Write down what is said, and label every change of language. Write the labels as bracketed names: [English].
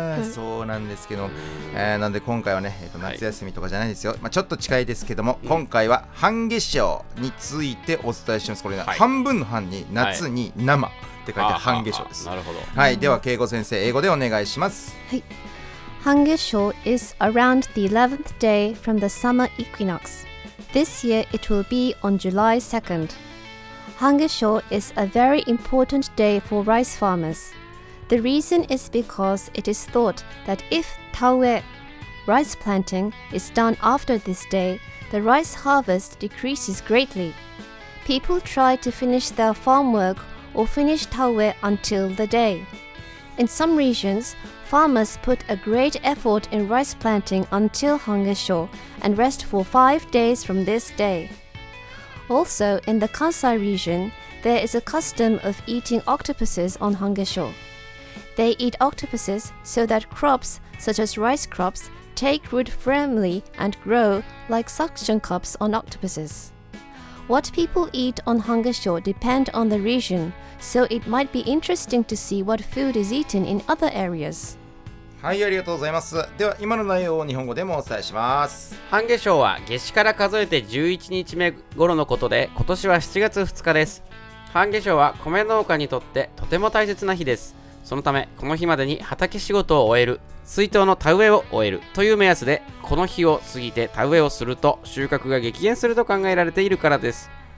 [Japanese] そうなんですけど、なんで今回はね、夏休みとかじゃないですよ、はい、まあ、ちょっと近いですけども、今回は半月章についてお伝えします。これが、半分の半に夏に生、って書いて半月章です。なるほど。はい、では恵子先生英語でお願いします。はい。 [English] 半月章 is around the 11th day from the summer equinox. This year it will be on July 2nd. 半月章 is a very important day for rice farmers. The reason is because it is thought that if 田植え rice planting is done after this day, the rice harvest decreases greatly. People try to finish their farm work. Or finish 田植え until the day. In some regions, farmers put a great effort in rice planting until 半月章 and rest for 5 days from this day. Also, in the Kansai region, there is a custom of eating octopuses on 半月章. They eat octopuses so that crops, such as rice crops, take root firmly and grow like suction cups on octopuses. What people eat on 半月章 depend on the region, so it might be interesting to see what food is eaten in other areas. [Japanese] はい、ありがとうございます。では今の内容を日本語でもお伝えします。半月章は夏至から数えて11日目頃のことで、今年は7月2日です。半月章は米農家にとってとても大切な日です。そのためこの日までに畑仕事を終える、水稲の田植えを終えるという目安で、この日を過ぎて田植えをすると収穫が激減すると考えられているからです。